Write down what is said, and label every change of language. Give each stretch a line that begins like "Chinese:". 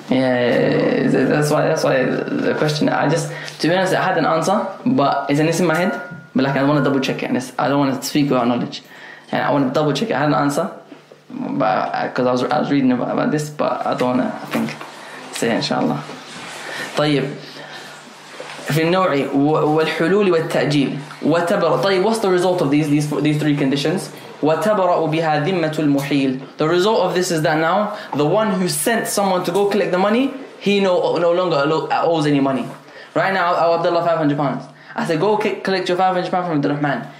English: Yeah, that's why the question. I just, to be honest, I had an answer, but it's in my head. But like, I want to double check it, and it's, I don't want to speak without knowledge. And I want to double check it. I had an answer, but because I was reading about this, but I don't want to, I think, say inshallah.
Arabic: طيب في النوع والحلول والتأجيل وتبرأ.
English: طيب, what's the result of these three conditions?
Arabic: وَتَبَرَأُ بِهَا ذِمَّةُ الْمُحِيلِ.
English: The result of this is that now the one who sent someone to go collect the money, he no longer owes any money. Right now, I owe Abdullah £500. I said, go collect your £500 from Abdurrahman.